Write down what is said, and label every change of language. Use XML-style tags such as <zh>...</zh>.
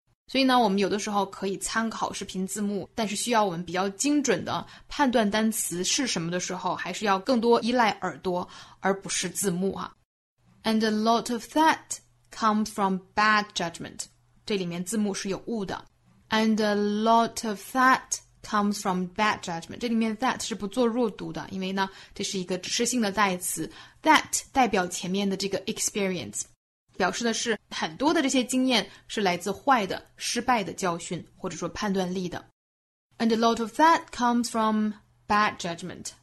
<zh>所以呢，我们有的时候可以参考视频字幕，但是需要我们比较精准的判断单词是什么的时候，还是要更多依赖耳朵而不是字幕啊。</zh> <en>And a lot of that comes from bad judgment.</en> <zh>这里面字幕是有误的。</zh> <en>And a lot of that comes from bad judgment.</en> <zh>这里面 that 是不做弱读的，因为呢，这是一个指示性的代词。 That 代表前面的这个 experience. 表示的是很多的这些经验是来自坏的失败的教训，或者说判断力的。</zh> <en>And a lot of that comes from bad judgment.</en>